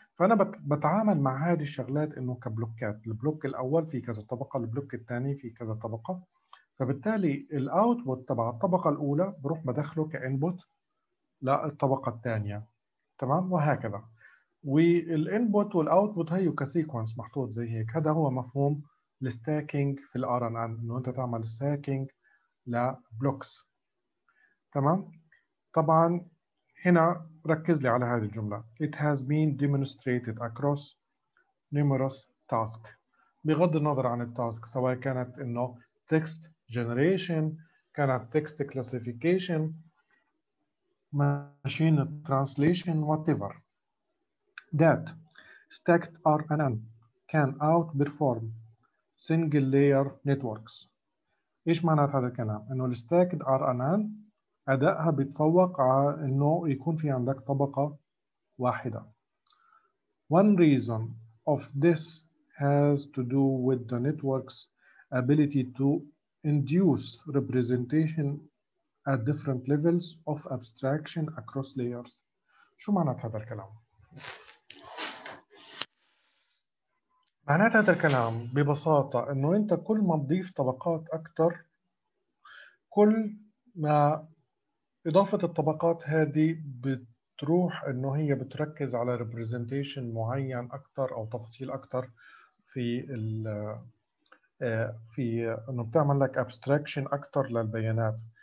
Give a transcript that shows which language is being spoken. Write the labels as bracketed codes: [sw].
[ar] فأنا بتعامل مع هذه الشغلات إنه كبلوكات، البلوك الأول في كذا طبقة، البلوك الثاني في كذا طبقة، فبالتالي الأوتبوت تبع الطبقة الأولى بروح بدخله كإنبوت للطبقة الثانية تمام، وهكذا. والإنبوت والأوتبوت هيو كسيكونس محطوط زي هيك، هذا هو مفهوم الستاكينج في الRNN، إنه أنت تعمل ستاكينج لبلوكس تمام. طبعا هنا ركز لي على هذه الجملة، [en] it has been demonstrated across numerous tasks، [ar] بغض النظر عن التاسك سواء كانت انه [en] text generation، كانت text classification، machine translation، whatever، that stacked RNN can outperform single layer networks. [ar] ايش معنى هذا الكلام؟ انه [en] stacked RNN [ar] أدائها بيتفوق على أنه يكون في عندك طبقة واحدة. [en] One reason of this has to do with the network's ability to induce representation at different levels of abstraction across layers. [ar] شو معنات هذا الكلام؟ معنات هذا الكلام ببساطة أنه أنت كل ما تضيف طبقات أكثر، كل ما إضافة الطبقات هذه بتروح أنه هي بتركز على representation معين أكثر أو تفاصيل أكثر في الـ في أنه بتعمل لك abstraction أكثر للبيانات.